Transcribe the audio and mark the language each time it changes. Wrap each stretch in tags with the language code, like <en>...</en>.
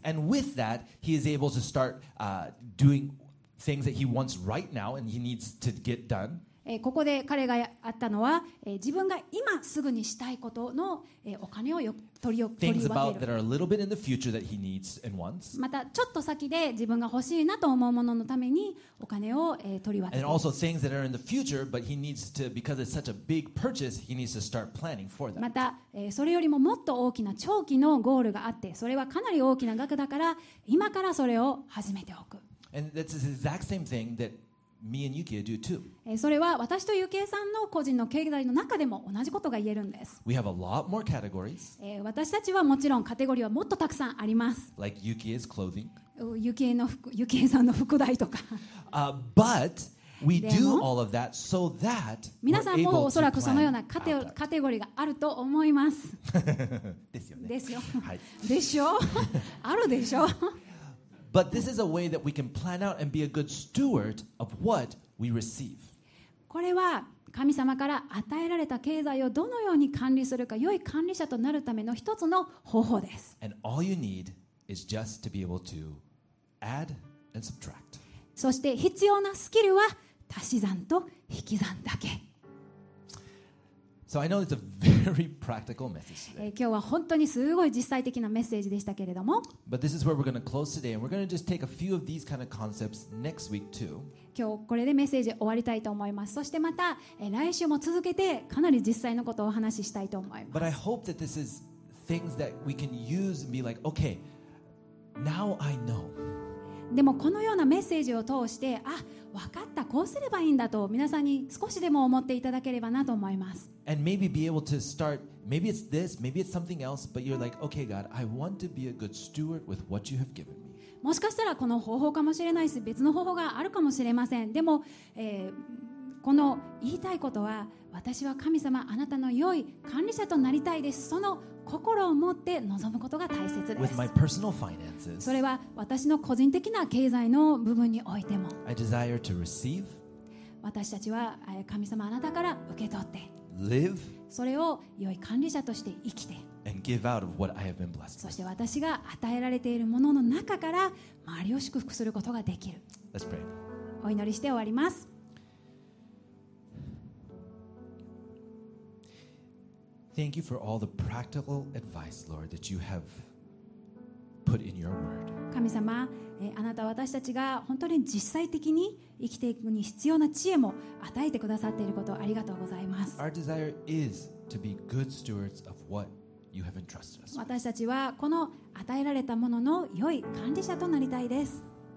<en>And with that, he is able to start doing things that he wants right now and he needs to get done.</en> <ja>ここで彼がやったのは、自分が今すぐにしたいことの、お金を取り分ける。またちょっと先で自分が欲しいなと思うもののためにお金を、取り分ける。</ja> <en>And also things that are in the future, but he needs to, because it's such a big purchase, he needs to start planning for that.</en> <ja>また、それよりももっと大きな長期のゴールがあって、それはかなり大きな額だから、今からそれを始めておく。</ja> <en>And that's the exact same thing that. Me and Yuki do too.</en> <ja>それは私とユキエさんの個人の経済の中でも同じことが言えるんです。</ja> <en>We have a lot more categories.</en> <ja>私たちはもちろんカテゴリーはもっとたくさんあります。</ja> <en>Like Yuki's clothing.</en> <ja>ユキエさんの服代とか。</ja> <en>But we do all of that so that we're able to plan out that.</en> <ja>皆さんもおそらくそのようなカテゴリーがあると思います。ですよね。ですよ。はい。でしょ。あるでしょ。</ja> <en>But this is a way that we can plan out and be a good steward of what we receive.</en> <ja>これは神様から与えられた経済をどのように管理するか、良い管理者となるための一つの方法です。</ja> <en>And all you need is just to be able to add and subtract.</en> <ja>そして必要なスキルは足し算と引き算だけ。</ja> <en>So I know it's a very practical message today.</en> <ja>今日は本当にすごい実際的なメッセージでしたけれども。</ja> <en>But this is where we're going to close today, and we're going to just take a few of these kind of concepts next week too.</en> <ja>今日これでメッセージ終わりたいと思います。そしてまた来週も続けてかなり実際のことをお話ししたいと思います。</ja> <en>But I hope that this is things that we can use and be like, okay, now I know.</en> <ja>でもこのようなメッセージを通して、あ、分かった、こうすればいいんだと皆さんに少しでも思っていただければなと思います。</ja> <en>And maybe be able to start, maybe it's this, maybe it's something else, but you're like, okay, God, I want to be a good steward with what you have given me.</en> <ja>もしかしたらこの方法かもしれないし、別の方法があるかもしれません。でも、この言いたいことは、私は神様、あなたの良い管理者となりたいです。その心を持って臨むことが大切です。</ja> <en>With my personal finances,</en> <ja>それは私の個人的な経済の部分においても。</ja> <en>I desire to receive,</en> <ja>私たちは神様あなたから受け取って、</ja> <en>live,</en> <ja>それを良い管理者として生きて、</ja> <en>and give out of what I have been blessed.</en> <ja>そして私が与えられているものの中から周りを祝福することができる。</ja> <en>Let's pray.</en> <ja>お祈りして終わります。</ja> <en>Thank you for all the practical advice, Lord, that you have put in your word.</en> <ja>神様、あなたは私たちが本当に実際的に生きていくに必要な知恵も与えてくださっていることをありがとうございます。</ja> <en>Our desire is to be good stewards of what you have entrusted us with.</en> <ja>私たちはこの与えられたものの良い管理者となりたいです。</ja>